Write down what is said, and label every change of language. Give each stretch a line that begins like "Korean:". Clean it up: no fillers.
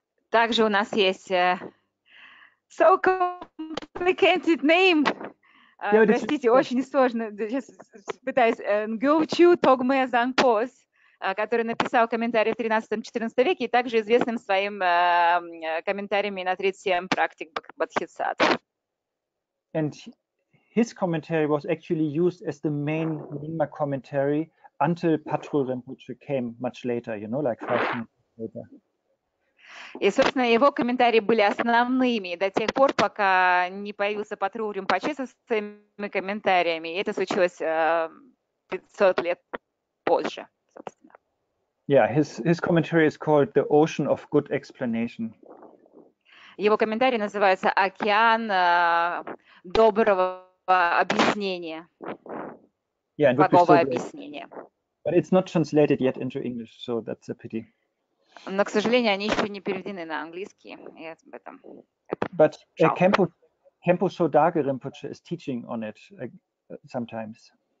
Russian: Также у нас есть
English: so complicated name.
Russian: Простите, очень сложно. Сейчас пытаюсь. Ngulchu Thokme Tsangpo, который написал комментарий в 13-14 веке и также известным своим комментариями на 37 практик Бодхисаттв.
English: And his commentary was actually used as the main Nyingma commentary until Patrul Rinpoche came much later, you know, like 5 minutes later.
Russian: И, собственно, его комментарии были основными до тех пор, пока не появился Патрул Ринпоче со своими комментариями. И это случилось 500 лет позже.
English: Yeah, his commentary is called The Ocean of Good Explanation.
Russian: Его комментарий называется «Океан доброго объяснения».
English: Yeah, and
Russian: Благого объяснения.
English: But it's not translated yet into English, so that's a pity.
Russian: Но, к сожалению, они еще не переведены на английский. Я об этом.
English: But Kempo Sodage Rinpoche is teaching on it sometimes.